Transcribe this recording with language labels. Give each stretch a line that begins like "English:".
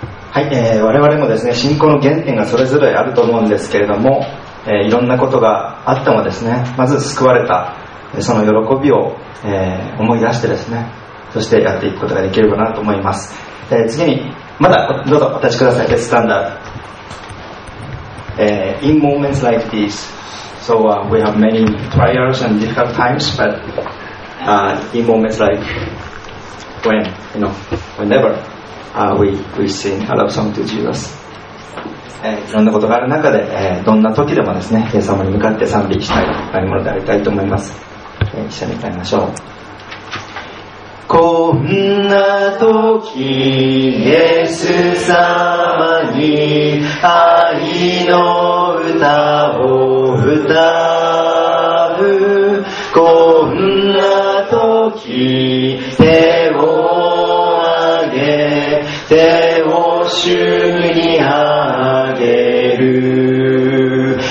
Japanese: はい、我々もですね信仰の原点がそれぞれあると思うんですけれども、いろんなことがあってもですねまず救われたその喜びを、思い出してですねそしてやっていくことができるかなと思います。次にまだどうぞお立ちください。
English: スタンダード、In moments like these So we have many trials and difficult times But in moments like when You know, whenever we sing a love song to Jesus、
Japanese: いろんなことがある中で、どんな時でもですね神様に向かって賛美したい何者でありたいと思います。一緒に歌いましょう。こんな時イエス様に愛の歌を歌う。こんな時手を挙げ手を主に挙げる。